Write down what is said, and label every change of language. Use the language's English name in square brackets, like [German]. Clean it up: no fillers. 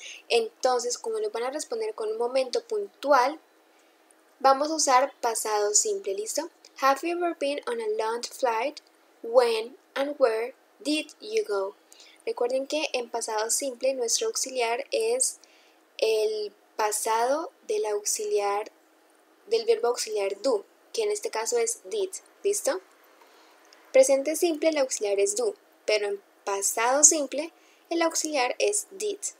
[Spanish] Entonces, como nos van a responder con un momento puntual, vamos a usar pasado simple, ¿listo? [English] Have you ever been on a long flight? When and where did you go? [Spanish] Recuerden que en pasado simple nuestro auxiliar es el pasado del auxiliar, del verbo auxiliar do, que en este caso es did, ¿listo? Presente simple el auxiliar es do, pero en pasado simple el auxiliar es did.